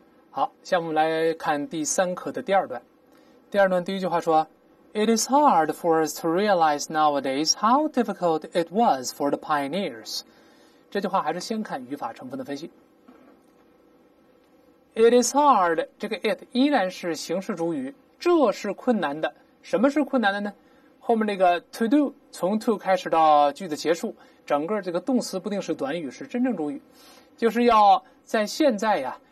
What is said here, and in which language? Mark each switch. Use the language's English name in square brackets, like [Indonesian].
[Chinese] 好，下面我们来看第三课的第二段。第二段第一句话说 [English] ：“It is hard for us to realize nowadays how difficult it was for the pioneers。” [Chinese] 这句话还是先看语法成分的分析。 [English] It is hard， [Chinese] 这个 it 依然是形式主语，这是困难的。什么是困难的呢？后面这个 to do 从 to 开始到句子结束，整个这个动词不定式短语是真正主语，就是要在现在呀。